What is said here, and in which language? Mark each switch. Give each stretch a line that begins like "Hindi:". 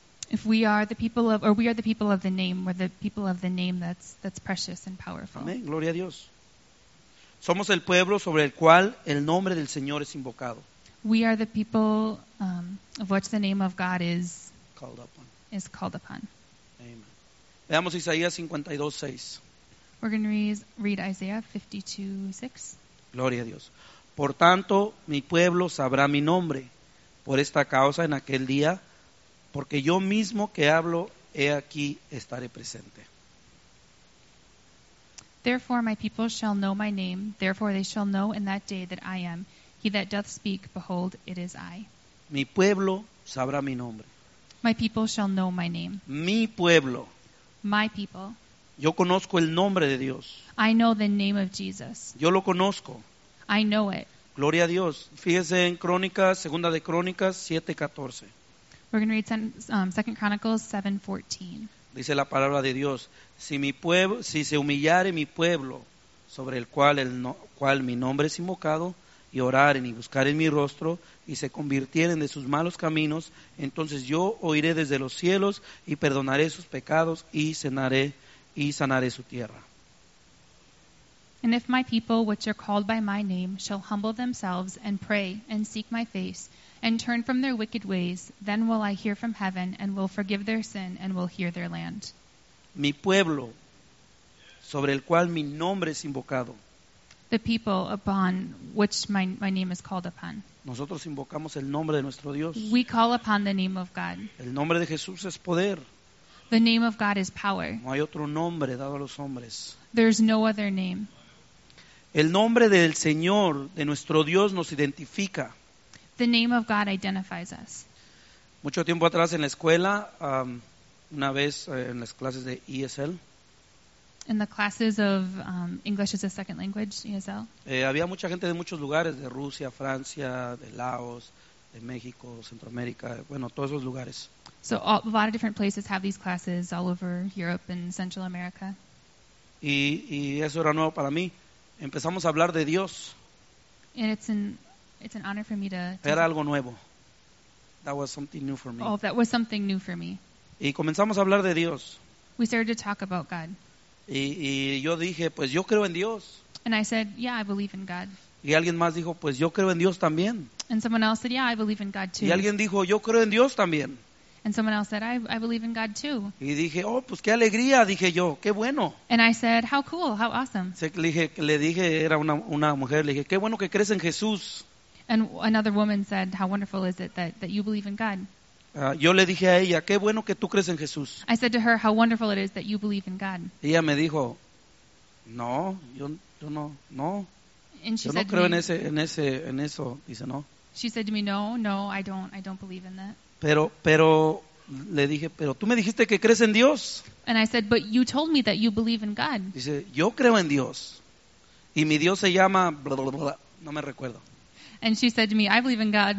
English: If we are the people of, or we are the people of the name, we're the people of the name that's precious and powerful.
Spanish: Amén. Gloria a Dios. Somos el pueblo sobre el cual el nombre del Señor es invocado.
English: We are the people of which the name of God is called upon. Is called upon.
Spanish: Amen. Veamos Isaías 52:6.
English: We're going to read Isaiah 52:6.
Spanish: Gloria a Dios. Por tanto, mi pueblo sabrá mi nombre por esta causa en aquel día, porque yo mismo que hablo, he aquí estaré presente.
English: Therefore, my people shall know my name. Therefore, they shall know in that day that I am. He that doth speak, behold, it is I.
Spanish: Mi pueblo sabrá mi nombre.
English: My people shall know my name.
Spanish: Mi pueblo.
English: My people.
Spanish: Yo conozco el nombre de Dios.
English: I know the name of Jesus.
Spanish: Yo lo conozco.
English: I know it.
Spanish: Gloria a Dios. Fíjese en Crónicas, Segunda de Crónicas 7:14.
English: We're going to read 2 Chronicles 7:14.
Spanish: Dice la palabra de Dios, si se humillare mi pueblo sobre el cual mi nombre es invocado y oraren y buscaren mi rostro y se convirtieren de sus malos caminos, entonces yo oiré desde los cielos y perdonaré sus pecados y sanaré su tierra.
English: And if my people, which are called by my name, shall humble themselves and pray and seek my face and turn from their wicked ways, then will I hear from heaven and will forgive their sin and will heal their land.
Spanish: Mi pueblo, sobre el cual mi nombre es invocado.
English: The people upon which my name is called upon.
Spanish: Nosotros invocamos el nombre de nuestro Dios.
English: We call upon the name of God.
Spanish: El nombre de Jesús es poder.
English: The name of God is power.
Spanish: No hay otro nombre dado a los hombres.
English: There's no other name.
Spanish: El nombre del Señor, de nuestro Dios, nos identifica.
English: The name of God identifies us.
Spanish: Mucho tiempo atrás en la escuela, una vez en las clases de ESL.
English: In the classes of English as a second language, ESL.
Spanish: Había mucha gente de muchos lugares, de Rusia, Francia, de Laos, de México, Centroamérica, bueno, todos esos lugares.
English: So a lot of different places have these classes all over Europe and Central America.
Spanish: Y eso era nuevo para mí. Empezamos a hablar de Dios.
English: And it's an honor for me to.
Spanish: Era algo nuevo.
English: That was something new for me. Oh, that was something new for me.
Spanish: Y comenzamos a hablar de Dios.
English: We started to talk about God.
Spanish: Y yo dije, pues yo creo en Dios.
English: And I said, yeah, I believe in God.
Spanish: Y alguien más dijo, pues yo creo en Dios también.
English: And someone else said, yeah, I believe in God too.
Spanish: Y alguien dijo, yo creo en Dios también.
English: And someone else said, I believe in God too.
Spanish: Y dije, oh, pues qué alegría, dije yo, qué bueno.
English: And I said, how cool, how awesome.
Spanish: Le dije, era una mujer, le dije, qué bueno que crees en Jesús.
English: And another woman said, how wonderful is it that you believe in God.
Spanish: Yo le dije a ella, qué bueno que tú crees en Jesús.
English: I said to her, how wonderful it is that you believe in God.
Spanish: Ella me dijo, no, yo no, no.
English: And she
Spanish: yo
English: said
Spanish: no creo
English: to me,
Spanish: en eso, dice no.
English: She said to me, no, I don't believe in that.
Spanish: Pero le dije, pero tú me dijiste que crees en Dios.
English: And I said, but you told me that you believe in God.
Spanish: Dice, yo creo en Dios. Y mi Dios se llama, blah, blah, blah, no me recuerdo.
English: And she said to me, I believe in God.